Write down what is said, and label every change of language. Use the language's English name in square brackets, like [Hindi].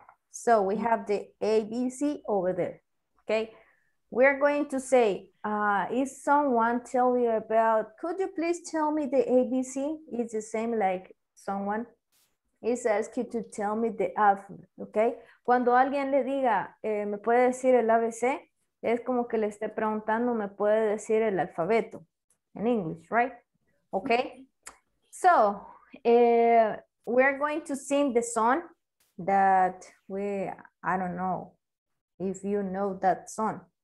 [English] So we have the ABC over there. Okay. We're going to say, if someone tell you about, could you please tell me the ABC? It's the same like someone is asking to tell me the alphabet, okay? [Spanish] Cuando alguien le diga, me puede decir el ABC, es como que le esté preguntando, me puede decir el alfabeto, [English] in English, right? Okay, so we're going to sing the song that we, I don't know if you know that song.